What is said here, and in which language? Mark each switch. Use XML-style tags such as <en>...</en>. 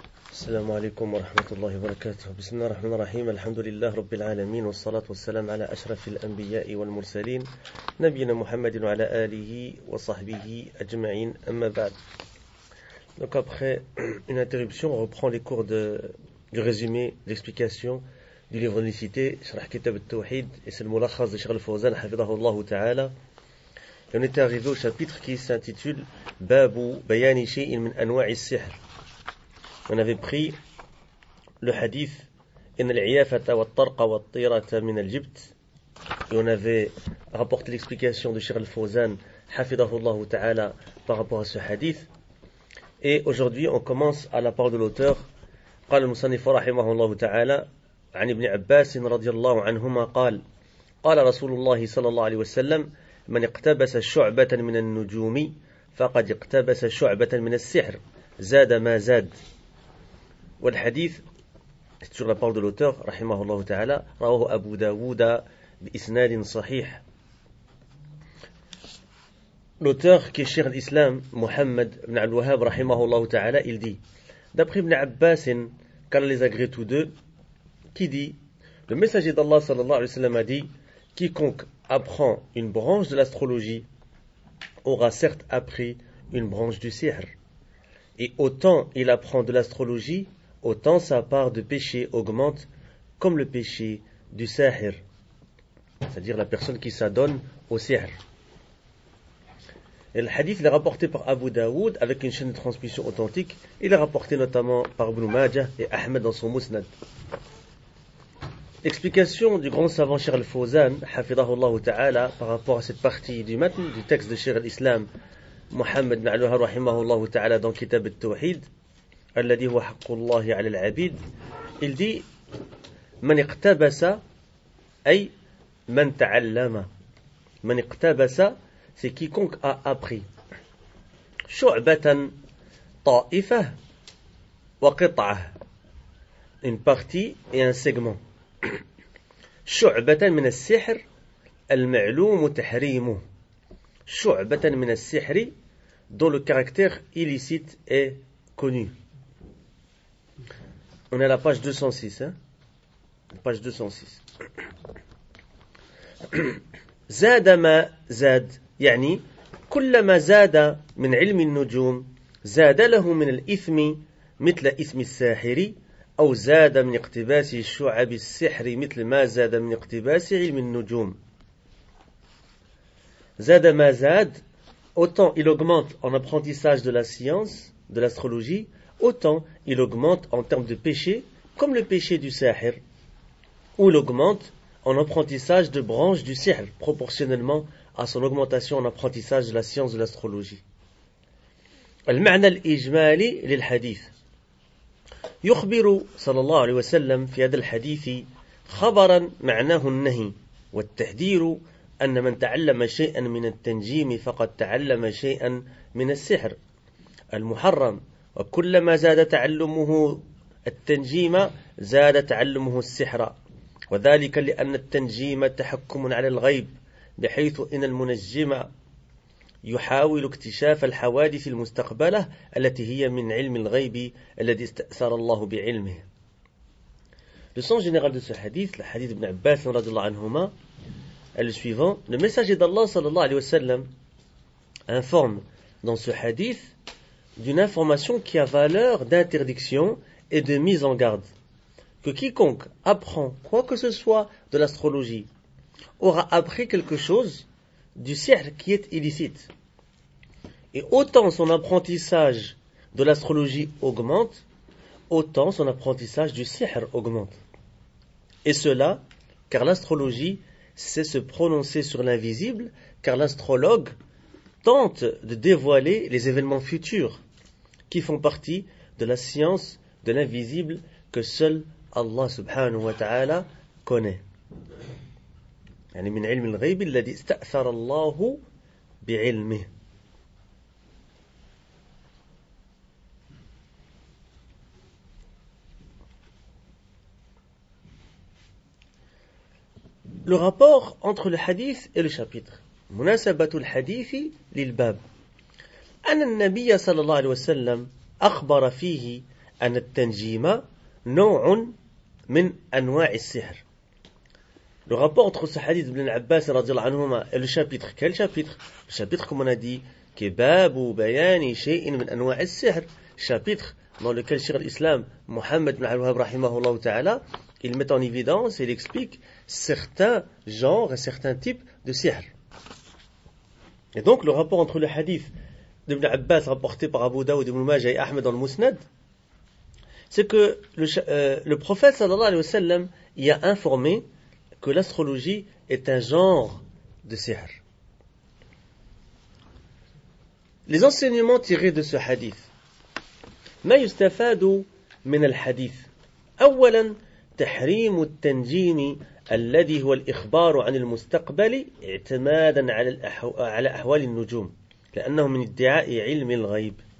<ar>السلام عليكم ورحمة الله وبركاته. بسم الله الرحمن الرحيم. الحمد لله رب العالمين، والصلاة والسلام على أشرف الأنبياء والمرسلين، نبينا محمد وعلى آله وصحبه أجمعين. أما بعد،</ar> <fr>donc après une interruption, on reprend les cours du résumé, l'explication du livre d'unicité,</fr> <ar>شرح كتاب التوحيد،</ar> <fr>et c'est le ملخص de Cheikh Al-Fawzan</fr> <ar>حفظه الله تعالى.</ar> <fr>On est arrivé au chapitre qui s'intitule</fr> <ar>بابو بياني شيء من أنواع السحر.</ar> <fr>On avait pris le hadith</fr> <ar>إن العيافة والطرق والطيرة من الجبت,</ar> <fr>et on avait rapporté l'explication de Cheikh Al-Fawzan</fr> <ar>حفظه الله تعالى</ar> <fr>par rapport à ce hadith. Et aujourd'hui on commence à la parole de l'auteur.</fr> <ar>قال المصنف رحمه الله تعالى عن ابن عباس رضي الله عنهما قال قال رسول الله صلى الله عليه وسلم من اقتبس شعبة من النجوم فقد اقتبس شعبة من السحر زاد ما زاد. والحديث</ar> <fr>sur la parole de l'auteur</fr> <ar>رحمه الله تعالى رواه أبو داود بإسناد صحيح.</ar> <fr>L'auteur qui est Cheikh d'Islam Mohamed ibn al-Wahhab</fr> <ar>رحمه الله تعالى,</ar> <fr>il dit d'après ibn Abbas, car les agrée tous deux, qui dit le messager d'Allah sallallahu alayhi wa sallam a dit quiconque apprend une branche de l'astrologie aura certes appris une branche du sihr, et autant il apprend de l'astrologie autant sa part de péché augmente, comme le péché du sahir, c'est-à-dire la personne qui s'adonne au sihr. Et le hadith est rapporté par Abu Daoud avec une chaîne de transmission authentique. Il est rapporté notamment par Ibn Majah et Ahmed dans son Musnad. Explication du grand savant Cheikh Al-Fawzan, hafidahullahu ta'ala, par rapport à cette partie du matn, du texte de Cheikh Al-Islam, Muhammad ibn al-Wahhab rahimahullahu ta'ala, dans Kitab al-Tawhid,</fr> <ar>الذي هو حق الله على العبيد.</ar> <fr>Il dit</fr> <ar>من اقتبس, أي من تعلم. من اقتبس,</ar> <fr>c'est quiconque a appris.</fr> <ar>شعبة, طائفة, وقطعة,</ar> <fr>une partie et un segment.</fr> <ar>شعبة من السحر المعلوم تحريمه. شعبة من السحر</ar> <fr>dont le caractère illicite est connu. On est à la page 206. Hein? Page 206.</fr> <ar>زاد ما زاد. يعني كلما زاد من علم النجوم زاد له من الإثم مثل إثم الساحر أو زاد من اقتباس شعب السحر مثل ما زاد من اقتباس علم النجوم. زاد ما زاد.</ar> <fr>Autant il augmente en apprentissage de la science, de l'astrologie, autant il augmente en termes de péché, comme le péché du sahir, ou il augmente en apprentissage de branches du sihr, proportionnellement à son augmentation en apprentissage de la science de l'astrologie.</fr> <ar>المعنى الإجمالي للحديث. يخبر صلى الله عليه وسلم في هذا الحديث خبرا معناه النهي والتحذير أن من تعلم شيئا من التنجيم فقد تعلم شيئا من السحر المحرم. وكلما زاد تعلمه التنجيم زاد تعلمه السحر وذلك لأن التنجيم تحكم على الغيب بحيث إن المنجم يحاول اكتشاف الحوادث المستقبلة التي هي من علم الغيب الذي استأثر الله بعلمه.</ar> <fr>Le sens général de ce hadith, le hadith ibn Abbas</fr> <ar>رضي الله عنهما,</ar> <fr>est le suivant. Le messager d'Allah</fr> <ar>صلى الله عليه وسلم</ar> <fr>informe dans ce hadith d'une information qui a valeur d'interdiction et de mise en garde. Que quiconque apprend quoi que ce soit de l'astrologie aura appris quelque chose du sihr qui est illicite. Et autant son apprentissage de l'astrologie augmente, autant son apprentissage du sihr augmente. Et cela, car l'astrologie sait se prononcer sur l'invisible, car l'astrologue tente de dévoiler les événements futurs qui font partie de la science de l'invisible que seul Allah subhanahu wa ta'ala connaît.</fr> <ar>يعني من علم الغيب الذي استأثر الله بعلمه.</ar> <fr>Le rapport entre le hadith et le chapitre.</fr> <ar>مناسبة الحديث للباب. أن النبي صلى الله عليه وسلم أخبر فيه أن التنجيم نوع من أنواع السحر.</ar> <fr>Le rapport entre ce hadith d'Ibn Abbas et le chapitre, quel chapitre? Le chapitre, comme on a dit, Kebab ou Bayani, Shein, Ibn Anwa al-Sihr. Chapitre dans lequel Cheikh l'Islam, Mohammed ibn al-Wahhab, rahimahullah ta'ala, il met en évidence et il explique certains genres et certains types de sihr. Et donc, le rapport entre le hadith d'Ibn Abbas rapporté par Abu Daoud ibn Majah et Ahmed dans le Musnad, c'est que le prophète sallallahu alayhi wa sallam y a informé que l'astrologie est un genre de sihr. Les enseignements tirés de ce hadith.</fr> <ar>ما يستفاد من الحديث؟ أولا تحريم التنجيم الذي هو الإخبار عن المستقبل اعتمادا على أحوال النجوم لأنه من ادعاء علم الغيب.</ar>